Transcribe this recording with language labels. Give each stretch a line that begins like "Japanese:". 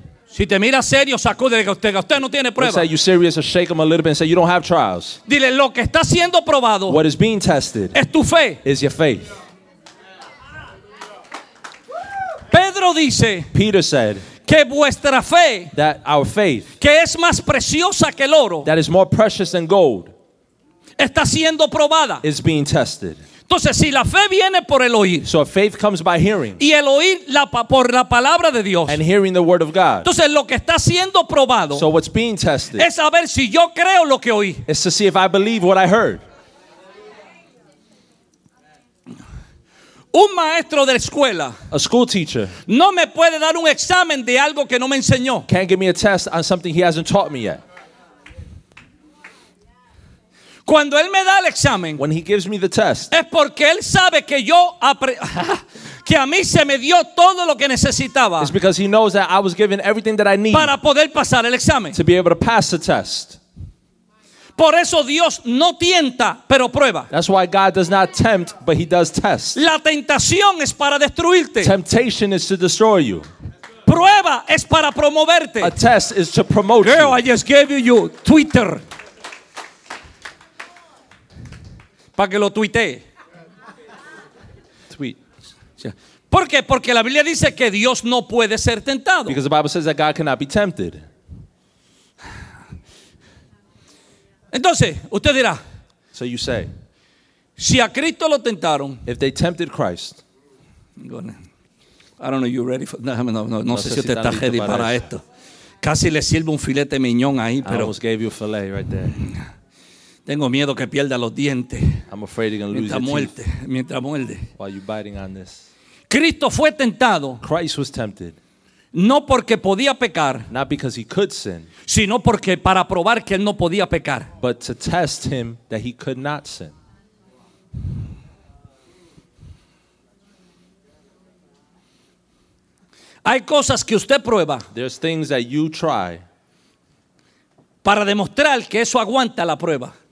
Spanish: Si te mira serio, sacúdele que usted no tiene prueba.
English: Say you serious or shake him a little bit and say you don't have trials.
Spanish: Dile lo que está siendo probado.
English: What is being tested?
Spanish: Es tu fe.
English: Is your faith.
Spanish: Pedro dice,
English: Peter said,
Spanish: que vuestra fe,
English: that our faith,
Spanish: que es más preciosa que el oro,
English: that is more precious than gold,
Spanish: está siendo probada,
English: is being tested.
Spanish: Entonces, si la fe viene por el oír,
English: so faith comes by hearing,
Spanish: y el oír por la palabra de Dios,
English: and hearing the word of God,
Spanish: entonces lo que está siendo probado,
English: so what's being tested,
Spanish: es saber si yo creo lo que oí,
English: is to see if I believe what I heard.
Spanish: Un maestro de escuela,
English: a school teacher,
Spanish: no me puede dar un examen de algo que no me enseñó.
English: Can't give me a test on something he hasn't taught me yet.
Spanish: Cuando él me da el examen,
English: when he gives me the test,
Spanish: es porque él sabe que yo que a mí se me dio todo lo que necesitaba.
English: It's because he knows that I was given everything that I need
Spanish: para poder pasar el examen.
English: To be able to pass the test.
Spanish: Por eso Dios no tienta, pero prueba.
English: That's why God does not tempt, but he does test.
Spanish: La tentación es para destruirte.
English: Temptation is to destroy you.
Spanish: Prueba es para promoverte.
English: A test is to promote Girl, Girl, I just gave you Twitter.
Spanish: Para que lo tuitee.
English: Tweet.
Spanish: ¿Por qué? Porque la Biblia dice que Dios no puede ser tentado.
English: Because the Bible says that God cannot be tempted.
Spanish: Entonces, usted dirá,
English: so you say,
Spanish: si a Cristo lo tentaron,
English: if they tempted Christ, gonna, I don't know, you ready for,
Spanish: no sé si usted está ready para esto. Casi le sirve un filete miñón ahí, pero
English: I almost gave you a filet right there.
Spanish: Tengo miedo que pierda los dientes.
English: I'm afraid you're going to lose your teeth.
Spanish: Mientras muerde.
English: While you're biting on this.
Spanish: Cristo fue tentado.
English: Christ was tempted.
Spanish: No porque podía pecar,
English: not because he could sin,
Spanish: sino porque para probar que él no podía pecar,
English: but to test him that he could not sin.
Spanish: Hay cosas que usted prueba,
English: there's things that you try,
Spanish: para demostrar que eso aguanta la prueba,